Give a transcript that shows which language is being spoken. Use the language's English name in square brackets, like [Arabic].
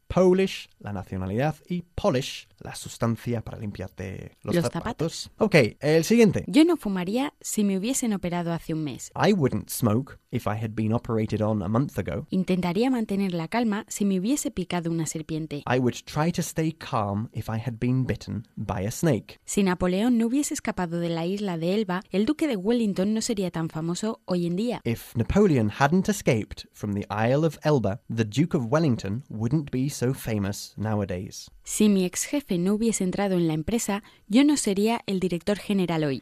[Spanish] Polish, la nacionalidad, y polish, la sustancia para limpiarte los zapatos. Okay, el siguiente. Yo no fumaría si me hubiesen operado hace un mes. [English] I wouldn't smoke if I had been operated on a month ago. [Spanish] Intentaría mantener la calma si me hubiese picado una serpiente. [English] I would try to stay calm if I had been bitten by a snake. [Spanish] Si Napoleón no hubiese escapado de la isla de Elba, el duque de Wellington no sería tan famoso hoy en día. [English] If Napoleon hadn't escaped from the Isle of Elba, the Duke of Wellington wouldn't be so famous nowadays. [Spanish] Si mi ex jefe no hubiese entrado en la empresa, yo no sería el director general hoy.